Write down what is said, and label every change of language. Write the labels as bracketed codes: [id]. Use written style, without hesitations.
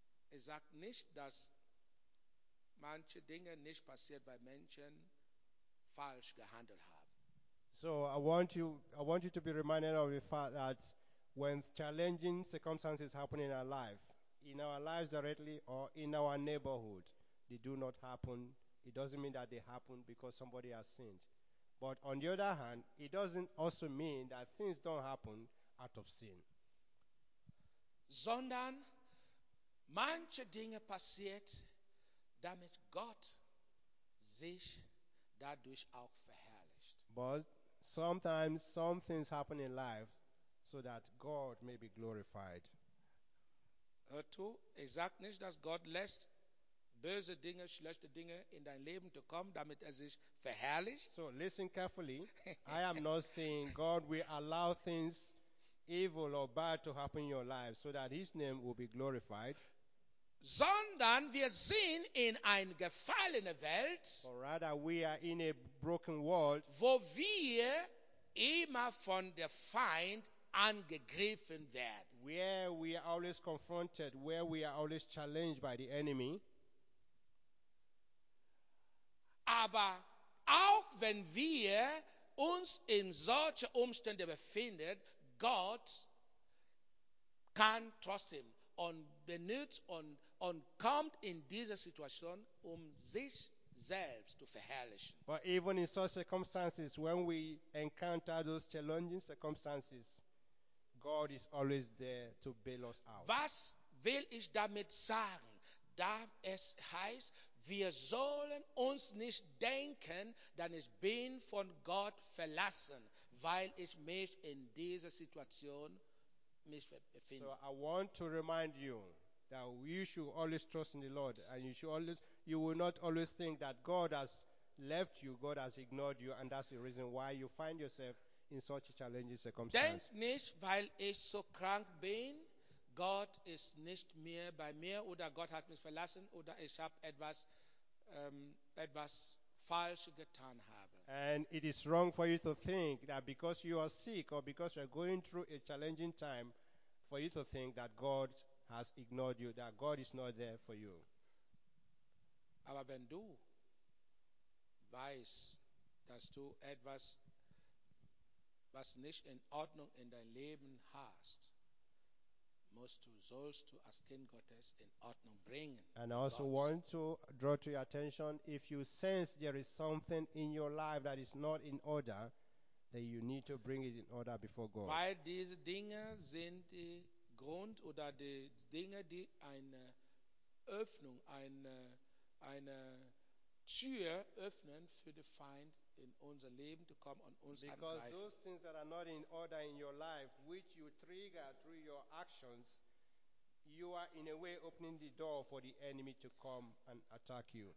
[de] Ich sage nicht, dass manche Dinge nicht passiert, weil Menschen falsch gehandelt haben. [en] So I want you to be reminded of the fact that when challenging circumstances happen in our life, in our lives directly or in our neighborhood, they do not happen. It doesn't mean that they happen because somebody has sinned. But on the other hand, it doesn't also mean that things don't happen out of sin. [de] Sondern manche Dinge passiert, damit Gott sich dadurch auch verherrlicht. [en] But sometimes some things happen in life so that God may be glorified. [de] Hörst du, ich sage nicht, dass Gott lässt böse Dinge, schlechte Dinge in dein Leben zu kommen, damit sich verherrlicht. [en] So listen carefully. I am not saying God will allow things evil or bad to happen in your life so that his name will be glorified. [de] Sondern wir sind in eine gefallene Welt, [en] or rather we are in a broken world, [de] wo wir immer von der Feind angegriffen werden. [en] Where we are always confronted, where we are always challenged by the enemy. [de] Aber auch wenn wir uns in solchen Umständen befinden, Gott can't trust him. On the notes, on come in this situation, sich selbst zu verherrlichen. [en] But even in such circumstances, when we encounter those challenging circumstances, God is always there to bail us out. [de] Was will ich damit sagen? Da es heißt, wir sollen uns nicht denken, dann ich bin von Gott verlassen, weil ich mich in dieser Situation befinde. [en] So I want to remind you that you should always trust in the Lord, and you should always, you will not always think that God has left you, God has ignored you, and that's the reason why you find yourself in such a challenging circumstance. [de] Denk nicht, weil ich so krank bin, Gott ist nicht mehr bei mir, oder Gott hat mich verlassen, oder ich habe etwas falsch getan habe. [en] And it is wrong for you to think that because you are sick or because you are going through a challenging time, for you to think that God has ignored you, that God is not there for you. [de] Aber wenn du weißt, dass du etwas, was nicht in Ordnung in dein Leben hast, musst du, sollst du das Kind Gottes in Ordnung bringen. [en] And I also want to draw to your attention, if you sense there is something in your life that is not in order, then you need to bring it in order before God. [de] Weil diese Dinge sind die Grund oder die Dinge, die eine Öffnung, eine Tür öffnen für den Feind in unser Leben zu kommen und uns angreifen. [en] Because those things that are not in order in your life, which you trigger through your actions, you are in a way opening the door for the enemy to come and attack you.